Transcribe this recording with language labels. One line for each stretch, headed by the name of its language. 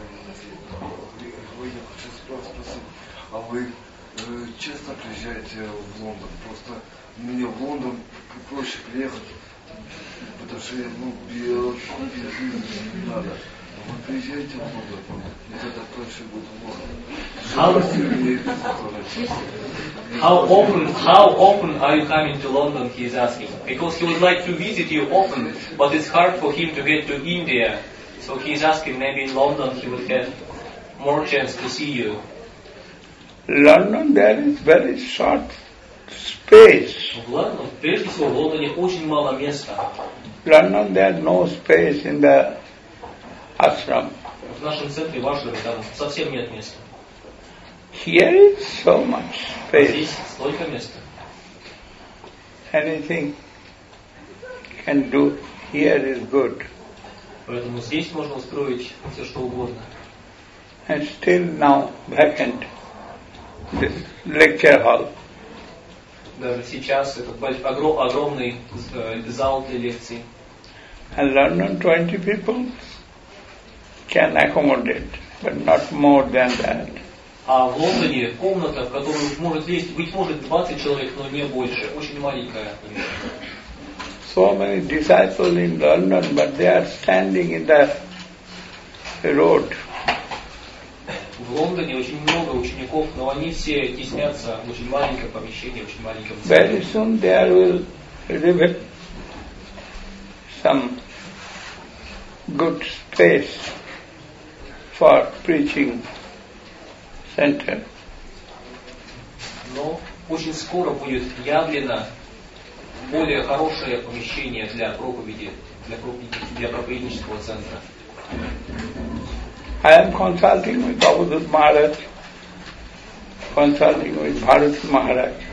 Russian: Я хочу спросить, а вы часто приезжаете в Лондон? Просто мне в Лондон проще приехать, потому что без визы не надо. А вы приезжаете в Лондон, и тогда проще будет в Лондон.
English: How often are you coming to London, he is asking. Because he would like to visit you often, but it's hard for him to get to India. So he is asking, maybe in London he would have more chance to see you. London, there is very short space.
Russian: London, прежде всего, в Лондоне очень мало места.
English: London, there is no space in the ashram.
Russian: В нашем центре, в Ашраме, там совсем нет места.
English: Here is so much space.
Russian: Здесь столько места.
English: Anything can do here is good.
Russian: Поэтому здесь можно устроить все что угодно.
English: And still now vacant this lecture hall.
Russian: Даже сейчас это огромный зал для лекций.
English: And London 20 people can accommodate, but not more than that.
Russian: А в Лондоне комната, в которую может лезть, быть может, 20 человек, но не больше. Очень маленькая.
English: So many disciples in London, but they are standing in the road.
Russian: В Лондоне очень много учеников, но они все теснятся в очень маленькое помещение, в очень маленьком центре.
English: Very soon there will be some good space for preaching. Center.
Russian: Но очень скоро будет явлено более хорошее помещение для проповеди, для проповеднического центра.
English: I am consulting with Avadhut Maharaj, consulting with Bharat Maharaj.